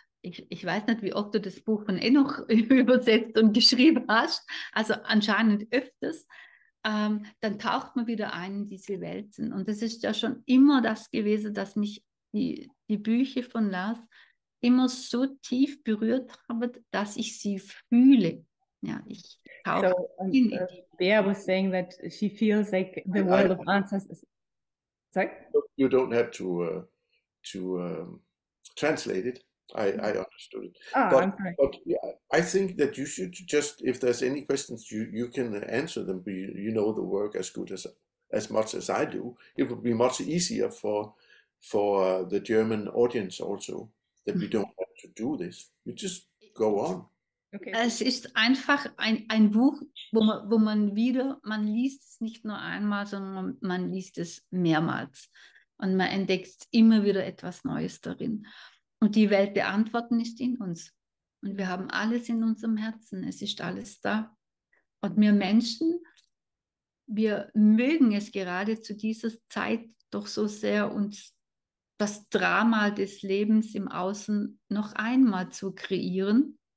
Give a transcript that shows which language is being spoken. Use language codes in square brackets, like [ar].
[de] Ich weiß nicht, wie oft du das Buch von Enoch übersetzt und geschrieben hast, also anscheinend öfters, dann taucht man wieder ein in diese Welten. Und das ist ja schon immer das gewesen, dass mich die Bücher von Lars immer so tief berührt haben, dass ich sie fühle. Ja, ich tauche So, in die. [en] Bea was saying that she feels like the world of answers is. Sorry? You don't have to translate it. I understood it. But I'm sorry. yeah, I think that you should just, if there's any questions, you can answer them. You know the work as good as much as I do. It would be much easier for the German audience also, that we don't have to do this. You just go on. Okay. [de] Es ist einfach ein Buch, wo man liest es nicht nur einmal, sondern man liest es mehrmals. Und man entdeckt immer wieder etwas Neues darin. Und die Welt der Antworten ist in uns. Und wir haben alles in unserem Herzen. Es ist alles da. Und wir Menschen, wir mögen es gerade zu dieser Zeit doch so sehr, uns das Drama des Lebens im Außen noch einmal zu kreieren.